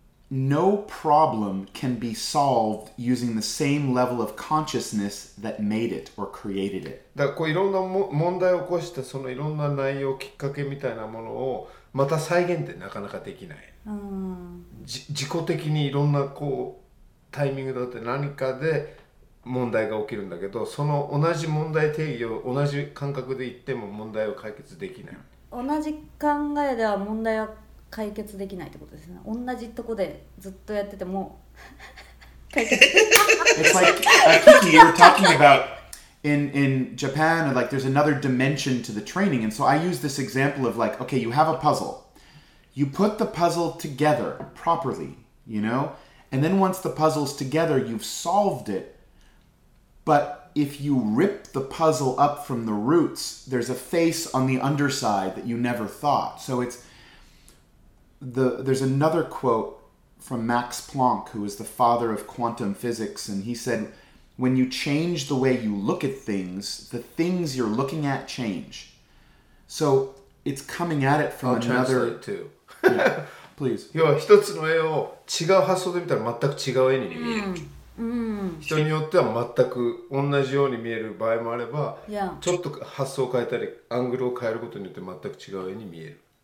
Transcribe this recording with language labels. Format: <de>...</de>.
<en>No problem can be solved using the same level of consciousness that made it or created it.</en> <ja>だからこういろんな問題を起こしたそのいろんな内容きっかけみたいなものをまた再現ってなかなかできない。自己的にいろんなこうタイミングだって何かで問題が起きるんだけど、その同じ問題定義を同じ感覚で言っても問題を解決できない。同じ考えでは問題は解決できないってことですね。同じとこでずっとやってても解決できない。</ja> <en>It's like, Kiki, you were talking about in Japan, like there's another dimension to the training. And so I use this example of like, okay, you have a puzzle. You put the puzzle together properly, you know? And then once the puzzle's together, you've solved it. But if you rip the puzzle up from the roots, there's a face on the underside that you never thought. So it's there's another quote from Max Planck, who is the father of quantum physics, and he said, when you change the way you look at things, the things you're looking at change. So it's coming at it from I'll another... translate too. Yeah. Please.</en> <ja>要は一つの絵を違う発想で見たら全く違う絵に見える。人によっては全く同じように見える場合もあれば、</ja> <en>yeah.</en> <ja>ちょっと発想を変えたり、アングルを変えることによって全く違う絵に見える。</ja>